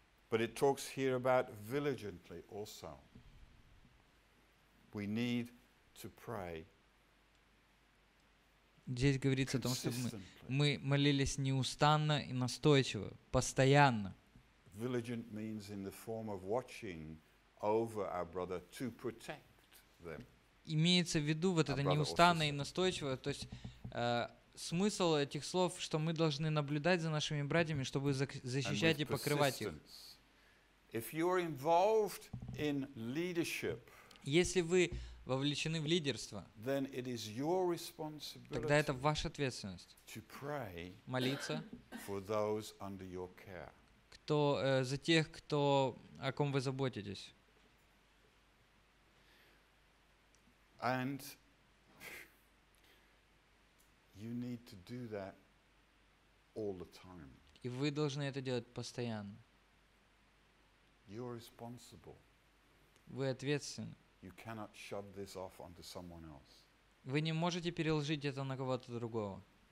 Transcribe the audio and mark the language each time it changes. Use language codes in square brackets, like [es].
[en] But it talks here about diligently also. We need to pray. [ru] Здесь говорится о том, чтобы мы молились неустанно и настойчиво, постоянно. [en] Diligent means in the form of watching over our brother to protect them. [ru] Имеется в виду вот это неустанно и настойчиво, то есть смысл этих слов, что мы должны наблюдать за нашими братьями, чтобы защищать и покрывать их. [en] If you are involved in leadership, [ru] если вы вовлечены в лидерство, [en] then it is your responsibility, [ru] тогда это ваша ответственность, [en] to pray, [ru] молиться, [en] for those under your care, [ru] кто за тех, кто о ком вы заботитесь, [en] and you need to do that all the time. [ru] И вы должны это делать постоянно. [en] You're responsible. [ru] Вы ответственны. [en] You cannot shove this off onto someone else. [ru] Вы не можете переложить это на кого-то другого.